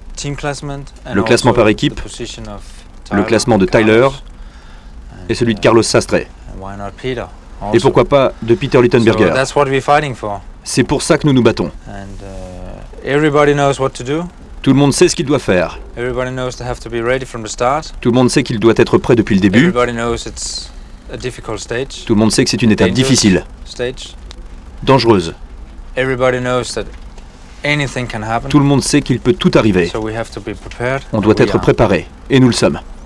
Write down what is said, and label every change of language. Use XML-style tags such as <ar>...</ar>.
<fr>Team classement, le classement par équipe, le classement de Tyler et celui de Carlos Sastre. Et pourquoi pas de Peter Littenberger.</fr> <en>So that's what we're fighting for.</en> <fr>C'est pour ça que nous nous battons.</fr> <en>And, everybody knows what to do.</en> <fr>Tout le monde sait ce qu'il doit faire.</fr> <en>Everybody knows they have to be ready from the start.</en> <fr>Tout le monde sait qu'il doit être prêt depuis le début.</fr> <en>Everybody knows it's a difficult stage.</en> <fr>Tout le monde sait que c'est une étape difficile,</fr> <en>stage.</en> <fr>Dangereuse.</fr> <en>Everybody knows that anything can happen.</en> <fr>Tout le monde sait qu'il peut tout arriver.</fr> <en>So we have to be prepared.</en> <fr>On doit être préparé, et nous le sommes.</fr>